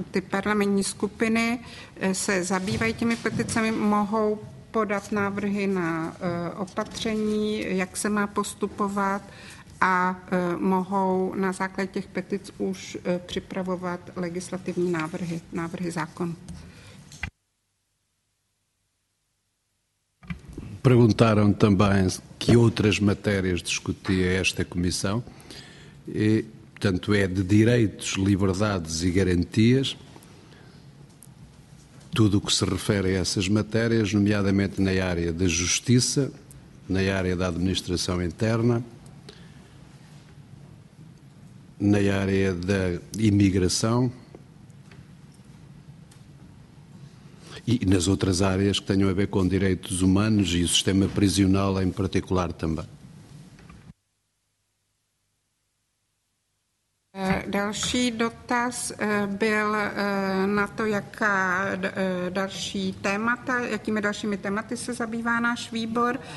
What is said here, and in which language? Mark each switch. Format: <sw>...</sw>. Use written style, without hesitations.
<cs>parlamentní skupiny se zabývají těmi peticemi, mohou podat návrhy na opatření, jak se má postupovat a mohou na základě těch petic už připravovat legislativní návrhy, návrhy zákonů.</cs> <pt>Perguntaram também que outras matérias discutia esta comissão, e, portanto, é de direitos, liberdades e garantias, tudo o que se refere a essas matérias, nomeadamente na área da justiça, na área da administração interna, na área da imigração e nas outras áreas que tenham a ver com direitos humanos e o sistema prisional em particular também.</pt> <cs>Další dotaz byl na to, jaká další témata, jakými dalšími tématy se zabývá náš výbor.</cs>